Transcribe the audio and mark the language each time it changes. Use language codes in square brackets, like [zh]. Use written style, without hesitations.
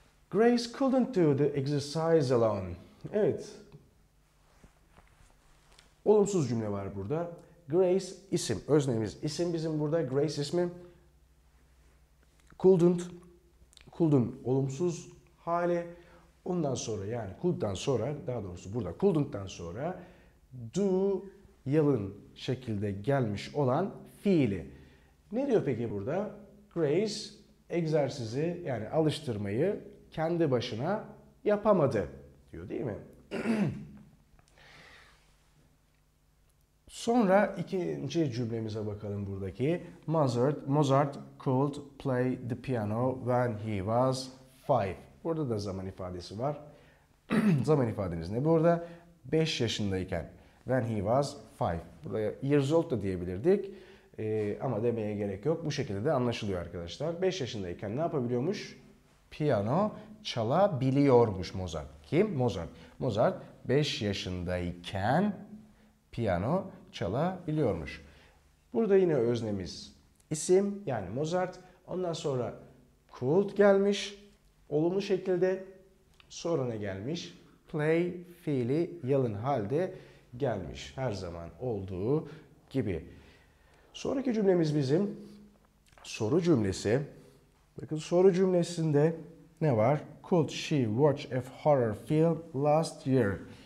[en] Grace couldn't do the exercise alone. [tr] Evet. Olumsuz cümle var burada. Grace isim. Öznemiz isim bizim burada. Grace ismi. Couldn't. Couldn't olumsuz hali. Ondan sonra yani could'dan sonra daha doğrusu burada couldn't'dan sonra do yalın şekilde gelmiş olan fiili. Ne diyor peki burada? Grace egzersizi yani alıştırmayı kendi başına yapamadı diyor değil mi? Sonra ikinci cümlemize bakalım buradaki. [en] Mozart could play the piano when he was five. [tr] Burada da zaman ifadesi var. Zaman ifadeniz ne? Burada 5 yaşındayken. [en] When he was five. [tr] Buraya years old da diyebilirdik. Ama demeye gerek yok. Bu şekilde de anlaşılıyor arkadaşlar. 5 yaşındayken ne yapabiliyormuş? Piyano çalabiliyormuş Mozart. Kim? Mozart. Mozart 5 yaşındayken piyano çalabiliyormuş. Burada yine öznemiz isim yani Mozart. Ondan sonra could gelmiş. Olumlu şekilde sonra ne gelmiş? Play fiili yalın halde gelmiş. Her zaman olduğu gibi. Sonraki cümlemiz bizim soru cümlesi. Bakın soru cümlesinde ne var? [en] Could she watch a horror film last year?